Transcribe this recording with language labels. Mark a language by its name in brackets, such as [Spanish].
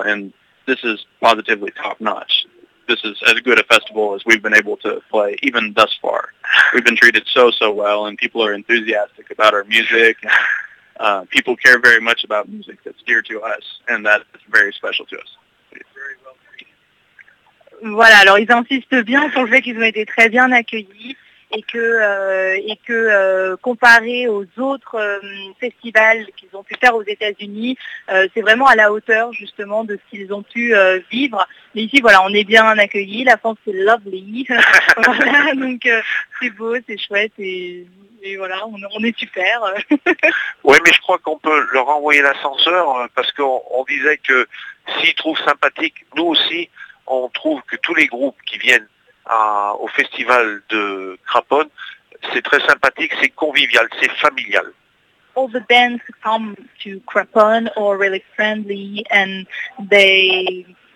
[English] And this is positively top-notch. This is as good a festival as we've been able to play, even thus far. We've been treated so, so well, and people are enthusiastic about our music. And, people care very much about music that's dear to us, and that's very special to us. [French] Voilà, alors ils insistent bien sur le fait qu'ils ont été très bien accueillis et que comparé aux autres festivals qu'ils ont pu faire aux États-Unis, c'est vraiment à la hauteur justement de ce qu'ils ont pu vivre. Mais ici, voilà, on est bien accueillis, la France c'est lovely, voilà, donc c'est beau, c'est chouette et voilà, on est super. Oui, mais je crois qu'on peut leur envoyer l'ascenseur parce qu'on disait que s'ils trouvent sympathique, nous aussi, on trouve que tous les groupes qui viennent au festival de Craponne, c'est très sympathique, c'est convivial, c'est familial. [English] All the bands who come to Craponne are really friendly and they...